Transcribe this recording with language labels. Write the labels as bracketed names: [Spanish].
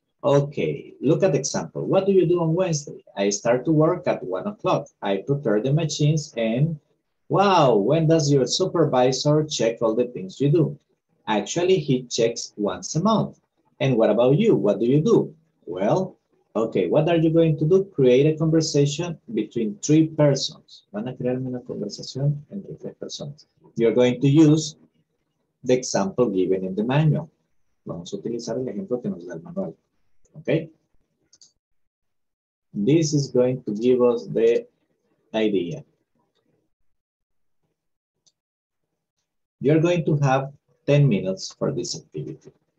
[English] Okay, look at the example. What do you do on Wednesday? I start to work at 1 o'clock. I prepare the machines and, wow, when does your supervisor check all the things you do? Actually, he checks once a month. And what about you? What do you do? Well, okay, what are you going to do? Create a conversation between three persons. [Spanish] Van a crearme una conversación entre tres personas. [English] You're going to use the example given in the manual. [Spanish] Vamos a utilizar el ejemplo que nos da el manual. [English] Okay? This is going to give us the idea. You're going to have 10 minutes for this activity.